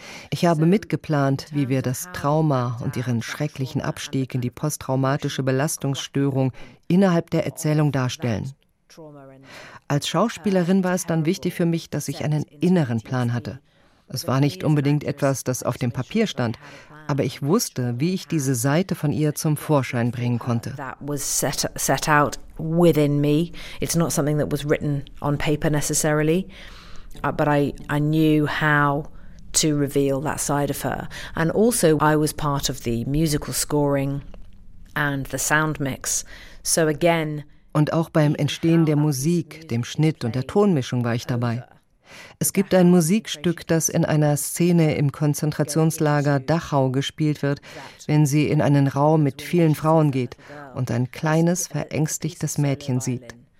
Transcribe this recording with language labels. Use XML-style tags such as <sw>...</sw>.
<de>Ich habe mitgeplant, wie wir das Trauma und ihren schrecklichen Abstieg in die posttraumatische Belastungsstörung innerhalb der Erzählung darstellen. Als Schauspielerin war es dann wichtig für mich, dass ich einen inneren Plan hatte. Es war nicht unbedingt etwas, das auf dem Papier stand, aber ich wusste, wie ich diese Seite von ihr zum Vorschein bringen konnte.</de> <en>That was set out within me. It's not something that was written on paper necessarily, but I knew how to reveal that side of her. And also I was part of the musical scoring and the sound mix. So again,</en> <de>und auch beim Entstehen der Musik, dem Schnitt und der Tonmischung war ich dabei. Es gibt ein Musikstück, das in einer Szene im Konzentrationslager Dachau gespielt wird, wenn sie in einen Raum mit vielen Frauen geht und ein kleines, verängstigtes Mädchen sieht.</de>